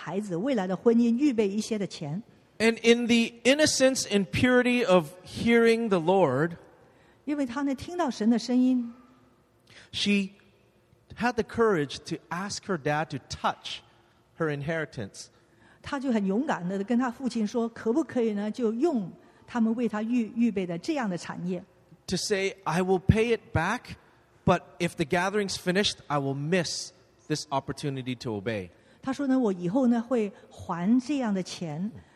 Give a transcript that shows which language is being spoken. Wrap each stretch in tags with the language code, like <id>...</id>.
<zh>但是她心里就非常的一个火热，那她就想到呢，每一个家庭父母呢都会为她的孩子未来的婚姻预备一些的钱。</zh> <en>And in the innocence and purity of hearing the Lord,</en> <zh>因为他呢,听到神的声音,</zh> <en>she had the courage to ask her dad to touch her inheritance.</en> <zh>他就很勇敢地跟他父亲说,可不可以呢,就用他们为他预备的这样的产业。</zh> <en>To say, I will pay it back, but if the gathering's finished, I will miss this opportunity to obey.</en> <zh>他说呢,我以后呢,会还这样的钱。</zh>